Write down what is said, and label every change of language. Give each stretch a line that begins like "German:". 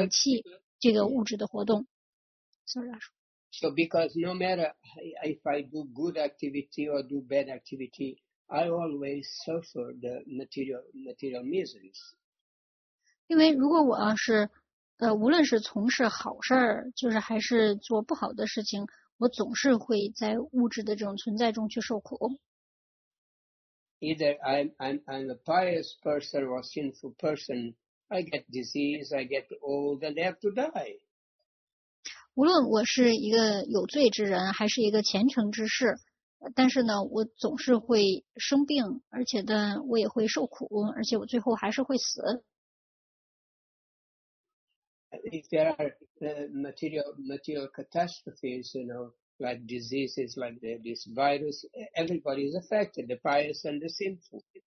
Chinese: 那有些人呢，由于呢他是比一般人要好一些的，那么他就是超越于普通人的，所以呢他能够理解，在这个物质活动的状态下，在这样的物质层面中的这个活动，他所得到的结果都是非常的痛苦的结果，所以呢他就会摒弃这个物质的活动。
English: So because no matter if I do good activity or do bad activity, I always suffer the material miseries.
Chinese: 因为如果我要是无论是从事好事儿，就是还是做不好的事情，我总是会在物质的这种存在中去受苦。
English: Either I'm a pious person or a sinful person, I get disease, I get old, and I have to die.
Chinese: 无论我是一个有罪之人，还是一个虔诚之士，但是呢，我总是会生病，而且呢，我也会受苦，而且我最后还是会死。
English: If there are material catastrophes, you know, like diseases, like this virus, everybody is affected, the pious and the sinful.